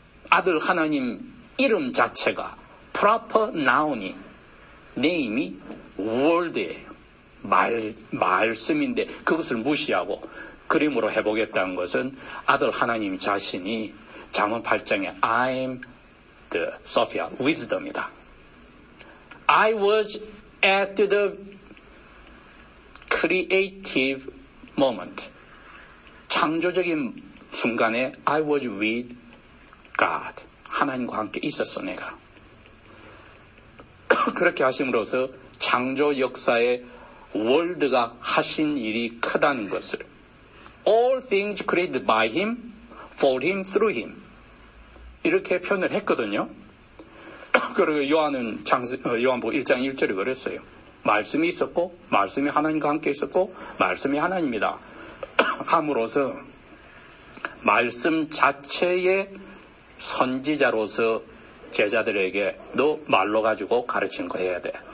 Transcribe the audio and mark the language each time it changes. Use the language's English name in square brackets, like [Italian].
[Korean] 아들 하나님 이름 자체가 proper noun이 name이 world예요. 말씀인데 그것을 무시하고 그림으로 해보겠다는 것은 아들 하나님 자신이 잠언 8장에 [English] I'm the Sophia, [Korean] wisdom이다. [English] I was at the creative moment. [Korean] 창조적인 순간에 [English] I was with God. [Korean] 하나님과 함께 있었어, 내가. 그렇게 하심으로써 창조 역사의 월드가 하신 일이 크다는 것을. [English] All things created by him, for him, through him. [Korean] 이렇게 표현을 했거든요. 그리고 요한은 요한복음 1장 1절에 그랬어요. 말씀이 있었고, 말씀이 하나님과 함께 있었고, 말씀이 하나님이다. 함으로써 말씀 자체의 선지자로서 제자들에게 너 말로 가지고 가르친 거 해야 돼.